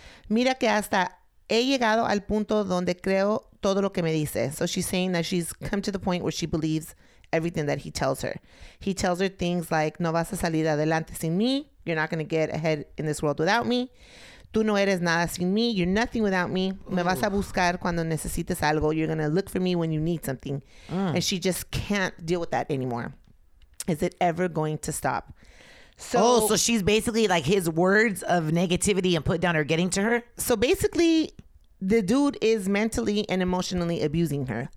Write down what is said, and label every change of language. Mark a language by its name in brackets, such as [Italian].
[Spanish] Mira que hasta he llegado al punto donde creo todo lo que me dice. [English] So she's saying that she's come to the point where she believes everything that he tells her. He tells her things like, [Spanish] no vas a salir adelante sin mí. [English] You're not going to get ahead in this world without me. [Spanish] Tú no eres nada sin mí. [English] You're nothing without me. [Spanish] Ooh. Me vas a buscar cuando necesites algo. [English] You're going to look for me when you need something. And she just can't deal with that anymore. Is it ever going to stop? So she's basically like his words of negativity and put down are getting to her? So basically, the dude is mentally and emotionally abusing her.